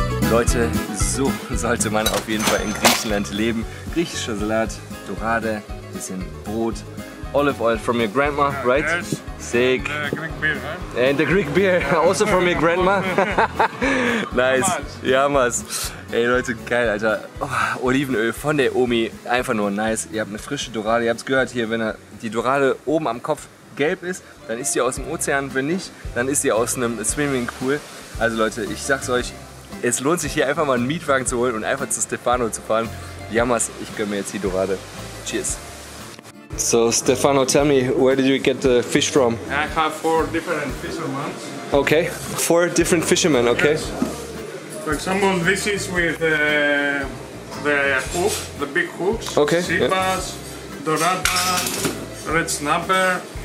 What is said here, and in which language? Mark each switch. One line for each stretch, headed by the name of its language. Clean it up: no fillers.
German: Leute, so sollte man auf jeden Fall in Griechenland leben. Griechischer Salat, Dorade, bisschen Brot,
English: Olive Oil from your grandma, yeah, right? Yes. Sick. And the Greek beer, huh? And the Greek beer, also from your grandma. Nice. Jammers.
German: Ey Leute, geil, Alter. Oh, Olivenöl von der Omi, einfach nur nice. Ihr habt eine frische Dorade, ihr habt es gehört hier, wenn die Dorade oben am Kopf gelb ist, dann ist sie aus dem Ozean, wenn nicht, dann ist sie aus einem Swimmingpool. Also Leute, ich sag's euch, es lohnt sich hier einfach mal einen Mietwagen zu holen und einfach zu Stefano zu fahren. Jammers, ich gönne mir jetzt die Dorade.
English: Cheers. So Stefano, tell me, where did you get the fish from? I have four different fishermen. Okay, four different fishermen, okay. Yes. For example, this is with the hook, the big hooks. Okay. Sipas, yeah. Dorada, red snapper.